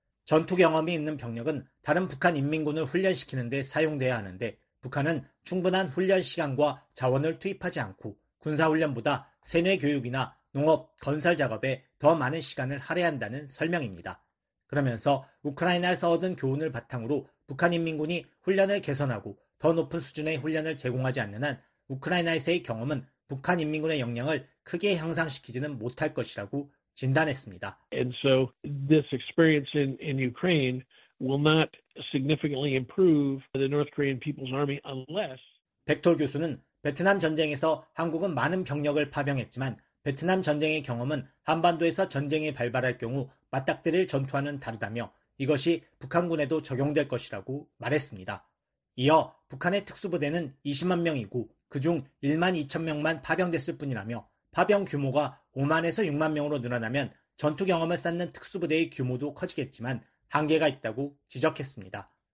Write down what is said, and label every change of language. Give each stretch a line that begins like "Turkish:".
Korean: 전투 경험이 있는 병력은 다른 북한 인민군을 훈련시키는 데 사용돼야 하는데 북한은 충분한 훈련 시간과 자원을 투입하지 않고 군사훈련보다 세뇌 교육이나 농업, 건설 작업에 더 많은 시간을 할애한다는 설명입니다. 그러면서 우크라이나에서 얻은 교훈을 바탕으로 북한 인민군이 훈련을 개선하고 더 높은 수준의 훈련을 제공하지 않는 한 우크라이나에서의 경험은 북한 인민군의 역량을 크게 향상시키지는 못할 것이라고 진단했습니다.
English: And so this experience in Ukraine will not significantly improve the North Korean People's Army unless
Korean: 백톨 교수는 베트남 전쟁에서 한국은 많은 병력을 파병했지만 베트남 전쟁의 경험은 한반도에서 전쟁이 발발할 경우 맞닥뜨릴 전투와는 다르다며 이것이 북한군에도 적용될 것이라고 말했습니다. 이어 북한의 특수부대는 20만 명이고 그중 1만 2천 명만 파병됐을 뿐이라며 파병 규모가 5만에서 6만 명으로 늘어나면 전투 경험을 쌓는 특수부대의 규모도 커지겠지만 한계가 있다고 지적했습니다.